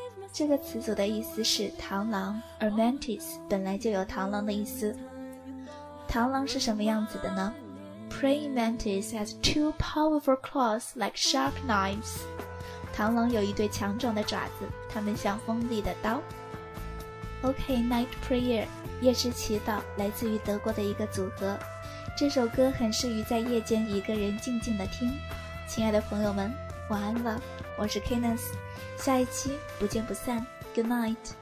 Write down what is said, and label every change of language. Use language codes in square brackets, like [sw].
[zh] 这个词组的意思是螳螂，而 mantis 本来就有螳螂的意思。螳螂是什么样子的呢？ [en] Praying mantis has two powerful claws like sharp knives. [zh] 螳螂有一对强壮的爪子，它们像锋利的刀。 OK, Night Prayer, 夜之祈祷，来自于德国的一个组合。这首歌很适于在夜间一个人静静的听。亲爱的朋友们，晚安了，我是 Kenneth, 下一期不见不散， [en] Good night.